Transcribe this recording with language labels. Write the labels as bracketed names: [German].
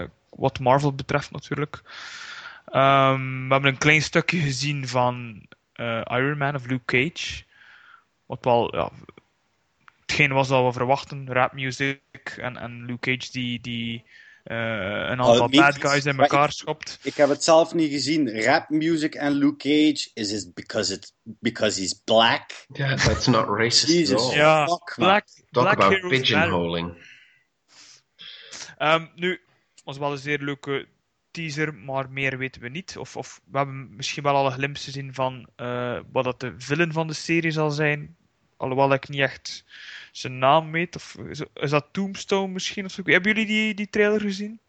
[Dutch] Wat Marvel betreft natuurlijk. We hebben een klein stukje gezien van Iron Man of Luke Cage. Wat wel... Ja, hetgeen was dat we verwachten, rap music en Luke Cage die een aantal bad guys in elkaar schopt. Ik heb het zelf niet gezien. [English] Rap music en Luke Cage, is it because he's black? Yeah, that's not racist. Jesus, yeah. Fuck, black, man. Black talk about pigeonholing. [Dutch] Nu, was wel een zeer leuke teaser, maar meer weten we niet. Of we hebben misschien wel al een glimpse gezien van wat dat de villain van de serie zal zijn. Alhoewel ik niet echt zijn naam weet. Of is dat Tombstone misschien? Of zo? Hebben jullie die trailer gezien?